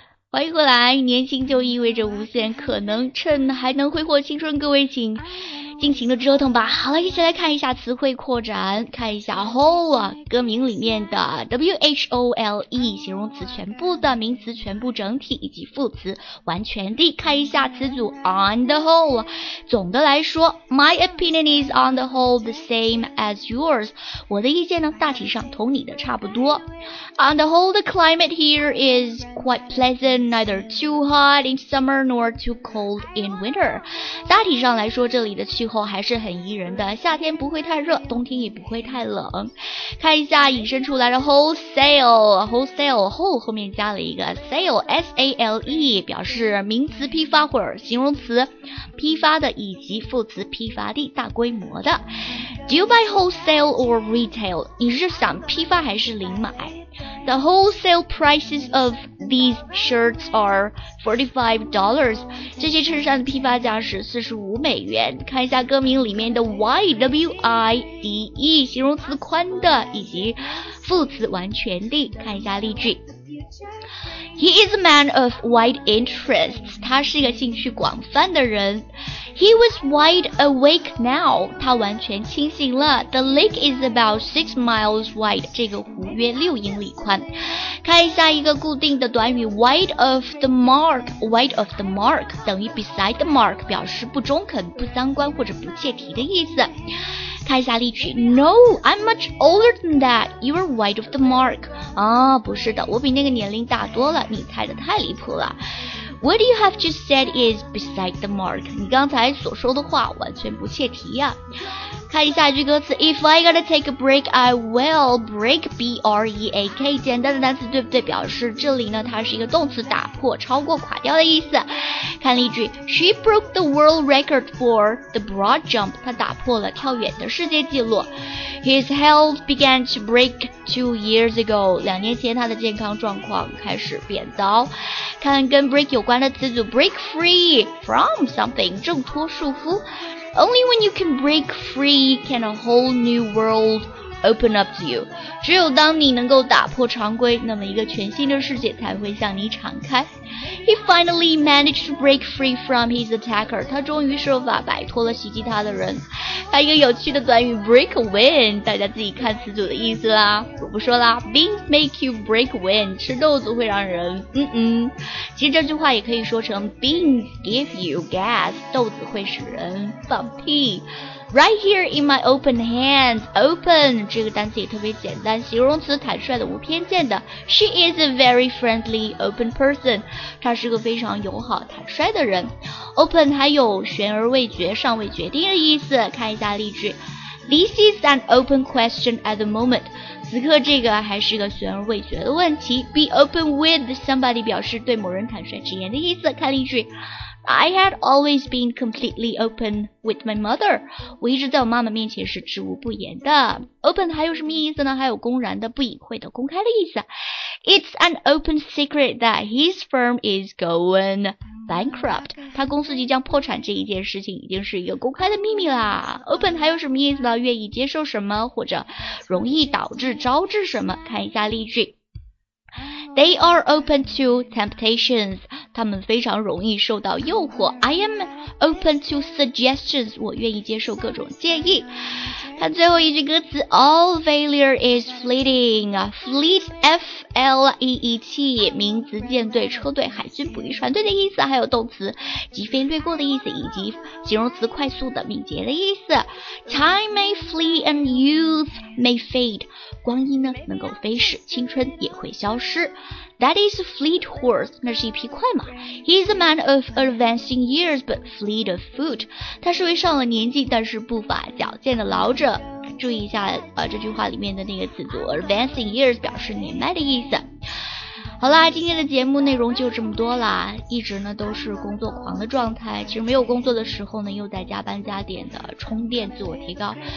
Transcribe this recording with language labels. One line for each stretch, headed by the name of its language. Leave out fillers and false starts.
Chinese: 欢迎回来，年轻就意味着无限可能，趁还能挥霍青春，各位请尽情的折腾吧。好了，一起来看一下词汇扩展，看一下 whole 歌名里面的 whole 形容词全部的，名词全部整体，以及副词完全的。看一下词组
English: on the whole，
Chinese: 总的来说
English: my opinion is on the whole the same as yours，
Chinese: 我的意见呢大体上同你的差不多。
English: on the whole the climate here is quite pleasant， neither too hot in summer nor too cold in winter，
Chinese: 大体上来说这里的气候还是很宜人的，夏天不会太热，冬天也不会太冷。看一下引申出来的 wholesale， whole 后面加了一个 sale， S-A-L-E， 表示名词批发或形容词批发的，以及副词批发地，大规模的。
English: Do you buy wholesale or retail？
Chinese: 你是想批发还是零买？
English: The wholesale prices of these shirts are $45.
Chinese: 这些衬衫的批发价是$45。看一下歌名里面的 wide 形容词宽的以及副词完全的。看一下例句。
English: He is a man of wide interests.
Chinese: 他是一个兴趣广泛的人。
English: He was wide awake now.
Chinese: 他完全清醒了。
English: The lake is about 6 miles wide.
Chinese: 这个湖约6英里宽。看一下一个固定的短语 wide of the mark. Wide of the mark 等于 beside the mark, 表示不中肯、不相关或者不切题的意思。看一下例句
English: No, I'm much older than that. You're wide of the mark.
Chinese: 啊，不是的，我比那个年龄大多了。你猜得太离谱了。
English: What you have just said is beside the mark.
Chinese: 你刚才所说的话完全不切题呀。看一下句歌词
English: If I gotta take a break, I will break
Chinese: B-R-E-A-K 简单的单词对不对表示这里呢它是一个动词打破超过垮掉的意思看例句
English: She broke the world record for the broad jump
Chinese: 她打破了跳远的世界纪录
English: His health began to break 2 years ago
Chinese: 2年前他的健康状况开始变糟看跟
English: break
Chinese: 有关的词组
English: break free from something
Chinese: 挣脱束缚
English: Only when you can break free can a whole new world open up to you.
Chinese: 只有当你能够打破常规，那么一个全新的世界才会向你敞开。
English: He finally managed to break free from his attacker.
Chinese: 他终于设法摆脱了袭击他的人。还有一个有趣的短语 break wind, 大家自己看词组的意思啦。我不说啦 ,
English: beans make you break wind,
Chinese: 吃豆子会让人其实这句话也可以说成
English: beans give you gas,
Chinese: 豆子会使人放屁。
English: Right here in my open hands,
Chinese: open, 这个单词也特别简单形容词坦率的无偏见的。
English: She is a very friendly, open person.
Chinese: 她是个非常友好坦率的人。Open 还有悬而未决尚未决定的意思看一下例句。
English: This is an open question at the moment.
Chinese: 此刻这个还是个悬而未决的问题。
English: Be open with somebody
Chinese: 表示对某人坦率直言的意思看例句。
English: I had always been completely open with my mother.
Chinese: 我一直在我妈妈面前是知无不言的。Open 还有什么意思呢？还有公然的、不隐晦的、公开的意思。
English: It's an open secret that his firm is going bankrupt.
Chinese: 他公司即将破产这一件事情已经是一个公开的秘密啦。 Open 还有什么意思呢？愿意接受什么或者容易导致、招致什么？看一下例句。
English: They are open to temptations.
Chinese: 他们非常容易受到诱惑。
English: I am open to suggestions.
Chinese: 我愿意接受各种建议。看最后一句歌词
English: All failure is fleeting.
Chinese: Fleet, F-L-E-E-T, 名词舰队、车队、海军捕鱼船队的意思，还有动词疾飞掠过的意思，以及形容词快速的、敏捷的意思。
English: Time may flee and youth may fade.
Chinese: 光阴呢，能够飞逝，青春也会消失。
English: That is a fleet horse,
Chinese: 那是一匹快马。
English: He is a man of advancing years, but fleet of foot.
Chinese: 他是位上了年纪但是步伐矫健的老者。注意一下这句话里面的那个词组 advancing years 表示年迈的意思。好啦，今天的节目内容就这么多啦。一直呢都是工作狂的状态，其实没有工作的时候呢又在加班加点的充电自我提高。